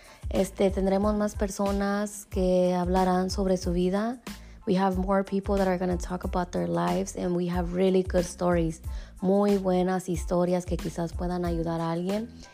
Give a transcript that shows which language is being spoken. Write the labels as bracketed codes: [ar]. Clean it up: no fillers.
[es] Tendremos más personas que hablarán sobre su vida. [en] We have more people that are going to talk about their lives, and we have really good stories. [es] Muy buenas historias que quizás puedan ayudar a alguien.